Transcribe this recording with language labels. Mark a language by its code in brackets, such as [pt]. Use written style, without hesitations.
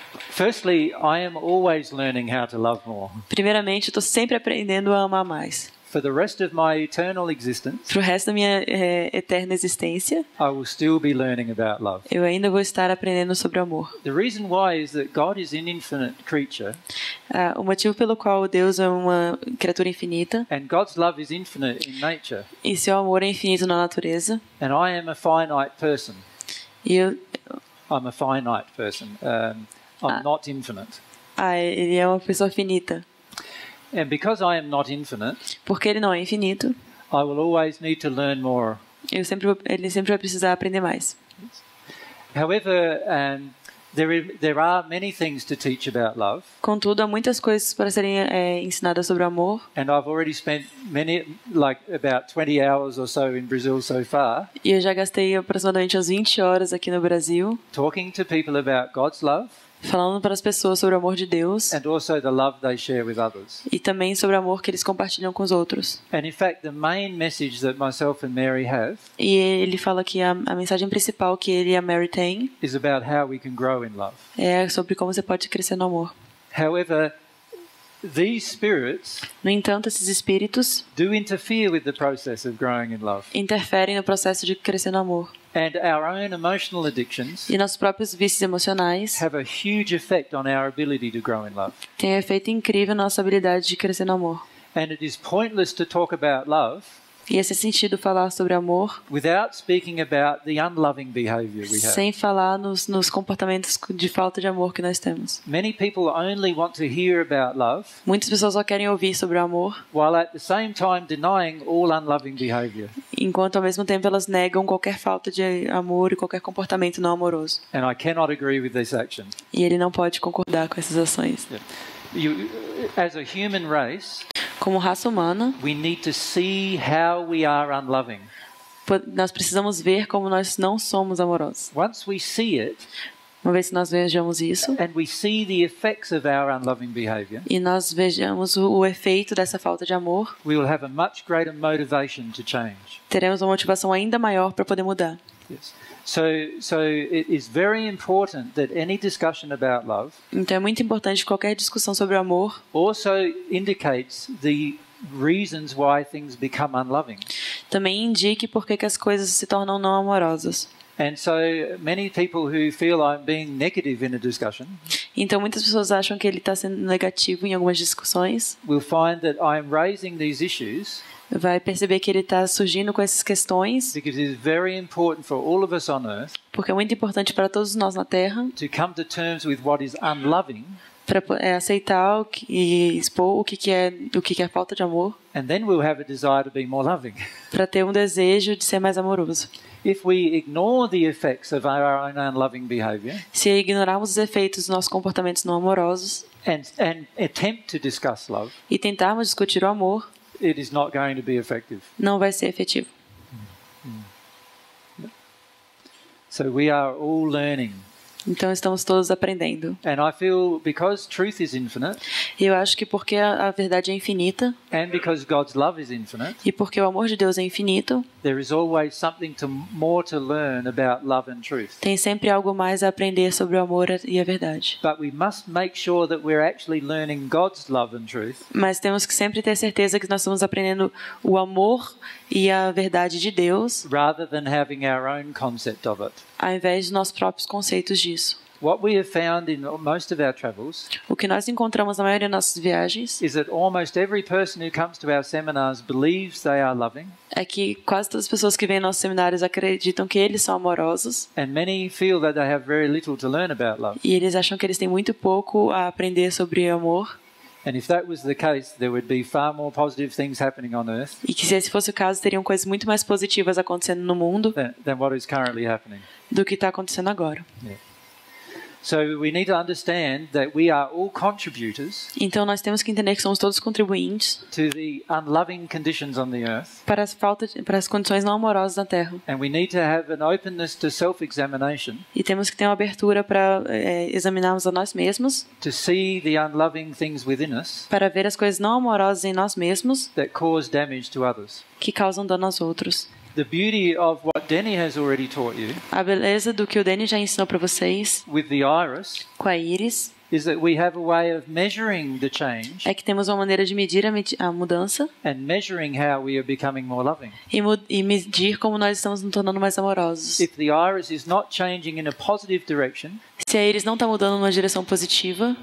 [en] Firstly, I am always learning how to love more. [pt] Primeiramente, eu estou sempre aprendendo a amar mais. [en] For the rest of my eternal existence, [pt] pro resto da minha eterna existência, [en] I will still be learning about love. [pt] Eu ainda vou estar aprendendo sobre amor. [en] The reason why is that God is an infinite creature. [pt] O motivo pelo qual Deus é uma criatura infinita. [en] And God's love is infinite in nature. [pt] E seu amor é infinito na natureza. [en] And I am a finite person. I'm a finite person. I'm not infinite. [pt] Ele é uma pessoa finita. [en] And because I am not infinite, [pt] porque ele não é infinito, [en] I will always need to learn more. [pt] Ele sempre vai precisar aprender mais. [en] However, there are many things to teach about love. [pt] Contudo, há muitas coisas para serem ensinadas sobre amor. [en] And I've already spent many, like about 20 hours or so in Brazil so far. [pt] E eu já gastei aproximadamente as 20 horas aqui no Brasil. [en] Talking to people about God's love. [pt] Falando para as pessoas sobre o amor de Deus. [en] And also the love they share with others. [pt] E também sobre o amor que eles compartilham com os outros. [en] And in fact, the main message that myself and Mary have. [pt] E ele fala que a mensagem principal que ele e a Mary têm. [en] Is about how we can grow in love. [pt] É sobre como você pode crescer no amor. [en] However, these spirits. [pt] No entanto, esses espíritos. [en] Do interfere with the process of growing in love. [pt] Interferem no processo de crescer no amor. [en] And our own emotional addictions. [pt] E nossos próprios vícios emocionais. [en] Have a huge effect on our ability to grow in love. [pt] Tem um efeito incrível na nossa habilidade de crescer no amor. [en] And it is pointless to talk about love. [pt] E esse sentido falar sobre amor. [en] Without speaking about the unloving behavior we have. [pt] Sem falar nos comportamentos de falta de amor que nós temos. [en] Many people only want to hear about love. [pt] Muitas pessoas só querem ouvir sobre amor. [en] While at the same time denying all unloving behavior. [pt] Enquanto ao mesmo tempo elas negam qualquer falta de amor e qualquer comportamento não amoroso. [en] And I cannot agree with this action. [pt] E ele não pode concordar com essas ações. [en] Yeah. You, as a human race. [pt] Como raça humana, [en] we need to see how we are unloving. [pt] Nós precisamos ver como nós não somos amorosos. [en] Once we see it, [pt] Uma vez que nós vejamos isso. [en] And we see the effects of our unloving behavior. [pt] E nós vejamos o efeito dessa falta de amor. [en] We will have a much greater motivation to change. [pt] Teremos uma motivação ainda maior para poder mudar. [en] Yes. So it is very important that any discussion about love. [pt] Então é muito importante qualquer discussão sobre o amor. [en] Also indicates the reasons why things become unloving. [pt] Também indique por que as coisas se tornam não amorosas. [en] And so many people who feel I'm being negative in a discussion. [pt] Então muitas pessoas acham que ele está sendo negativo em algumas discussões. [en] Will find that I'm raising these issues. [pt] Vai perceber que ele está surgindo com essas questões. [en] Because it's very important for all of us on earth. [pt] Porque é muito importante para todos nós na Terra. [en] To come to terms with what is unloving. [pt] Para aceitar e expor o que é a falta de amor. [en] And then we'll have a desire to be more loving. [pt] Para ter desejo de ser mais amoroso. [en] If we ignore the effects of our own unloving behavior, [pt] se ignorarmos os efeitos dos nossos comportamentos não amorosos, [en] and attempt to discuss love, [pt] e tentarmos discutir o amor, [en] it is not going to be effective. [pt] Não vai ser efetivo. [en] So we are all learning. [pt] Então estamos todos aprendendo. [en] And I feel because truth is infinite, [pt] eu acho que porque a verdade é infinita, [en] and because God's love is infinite, [pt] e porque o amor de Deus é infinito, [en] there is always something more to learn about love and truth. [pt] Tem sempre algo mais a aprender sobre o amor e a verdade. [en] But we must make sure that we're actually learning God's love and truth. [pt] Mas temos que sempre ter certeza que nós estamos aprendendo o amor e a verdade de Deus, [en] rather than having our own concept of it. [pt] Ao invés dos nossos próprios conceitos disso. [en] What we have found in most of our travels, [pt] o que nós encontramos na maioria das nossas viagens, [en] is that almost every person who comes to our seminars believes they are loving. [pt] É que quase todas as pessoas que vêm aos nossos seminários acreditam que eles são amorosos. [en] And many feel that they have very little to learn about love. [pt] E eles acham que eles têm muito pouco a aprender sobre amor. [en] And if that was the case, there would be far more positive things happening on earth. [pt] E que se esse fosse o caso, teriam coisas muito mais positivas acontecendo no mundo. [en] Than what is currently happening. [pt] Do que está acontecendo agora. [en] Yeah. So we need to understand that we are all contributors. [pt] Então nós temos que entender que somos todos contribuintes. [en] To the unloving conditions on the earth. [pt] Para as condições não amorosas na Terra. [en] And we need to have an openness to self-examination. [pt] E temos que ter uma abertura para examinarmos a nós mesmos. [en] To see the unloving things within us. [pt] Para ver as coisas não amorosas em nós mesmos. [en] That cause damage to others. [pt] Que causam dano aos outros. [en] The beauty of what Denny has already taught you. [pt] A beleza do que o Denny já ensinou para vocês. [en] With the iris. [pt] Com a íris. [en] Is that we have a way of measuring the change. [pt] É que temos uma maneira de medir a mudança. [en] And measuring how we are becoming more loving. [pt] E medir como nós estamos nos tornando mais amorosos. [en] If the iris is not changing in a positive direction. [pt] Se a íris não está mudando numa direção positiva.